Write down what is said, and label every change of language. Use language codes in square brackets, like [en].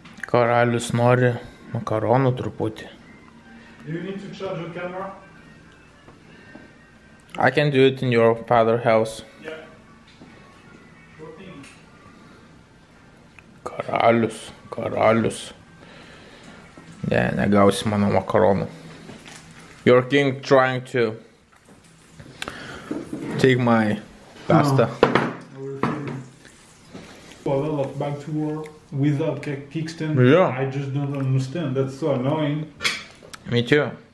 [lt] Karalius nori makaronų truputį. [en] Do you need to charge your camera? I can do it in your father's house. Yeah. Sure thing. [lt] Karalius. Ne, negausi mano makaronų. [en] Your king trying to take my pasta. Well, no. Back to war without kickstand. Yeah. I just don't understand. That's so annoying. Me too.